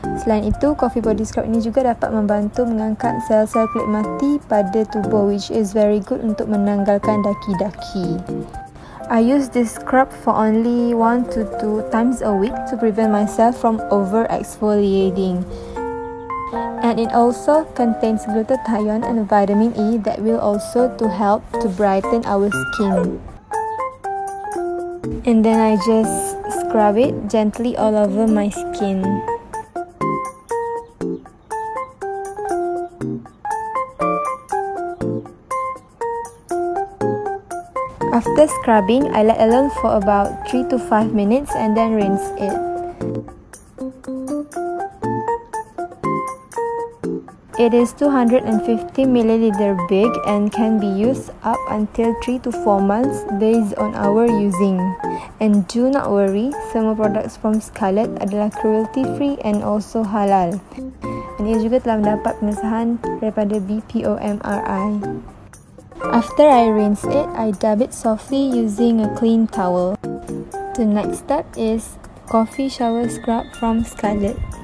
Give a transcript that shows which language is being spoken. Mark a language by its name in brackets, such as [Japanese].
[Malay] Selain itu, coffee body scrub ini juga dapat membantu mengangkat sel-sel kulit mati pada tubuh, [English] which is very good [Malay] untuk menanggalkan daki-daki. [English] I use this scrub for only 1 to 2 times a week to prevent myself from over exfoliating. And it also contains glutathione and vitamin E that will also to help to brighten our skin. And then I just scrub it gently all over my skin. After scrubbing, I let alone for about 3 to 5 minutes and then rinse it. It is 250 ml big and can be used up until 3 to 4 months based on our using. And do not worry, [Malay] semua [English] products from Scarlett [Malay] adalah [English] cruelty free and also halal. [Malay] And ia juga telah mendapat pengesahan daripada BPOMRI. [English] After I rinse it, I dab it softly using a clean towel. The next step is coffee shower scrub from Scarlett.